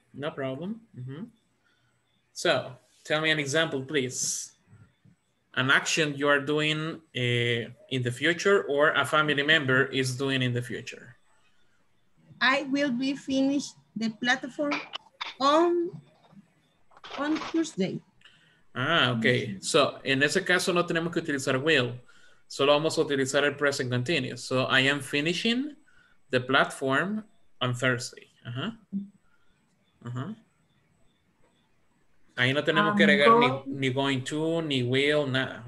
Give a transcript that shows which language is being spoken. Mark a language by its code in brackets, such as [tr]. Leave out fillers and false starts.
[en] No problem. So, tell me an example, please. An action you are doing in the future or a family member is doing in the future. I will be finished the platform on Tuesday. Okay. [es] So, en ese caso no tenemos que utilizar will. Solo vamos a utilizar el present continuous. [en] So, I am finishing the platform on Thursday. [es] Ahí no tenemos que agregar ni going to, ni will, nada.